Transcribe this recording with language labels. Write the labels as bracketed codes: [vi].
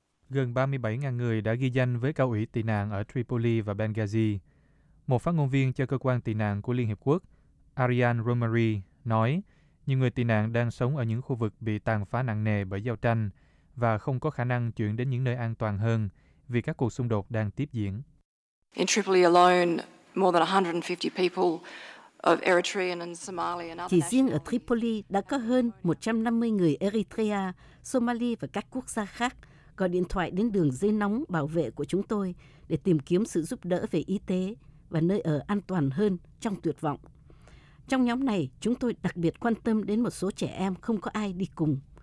[vi] Gần 37.000 người đã ghi danh với Cao ủy tị nạn ở Tripoli và Benghazi. Một phát ngôn viên cho cơ quan tị nạn của Liên Hiệp Quốc, Ariane Romery, nói nhiều người tị nạn đang sống ở những khu vực bị tàn phá nặng nề bởi giao tranh và không có khả năng chuyển đến những nơi an toàn hơn vì các cuộc xung đột đang tiếp diễn. [en] In Tripoli alone, more than 150 people of Eritrean and Somalia and other. [vi] Chỉ riêng ở Tripoli đã có hơn 150 người Eritrea, Somali và các quốc gia khác gọi điện thoại đến đường dây nóng bảo vệ của chúng tôi để tìm kiếm sự giúp đỡ về y tế và nơi ở an toàn hơn trong tuyệt vọng. Trong nhóm này, chúng tôi đặc biệt quan tâm đến một số trẻ em không có ai đi cùng.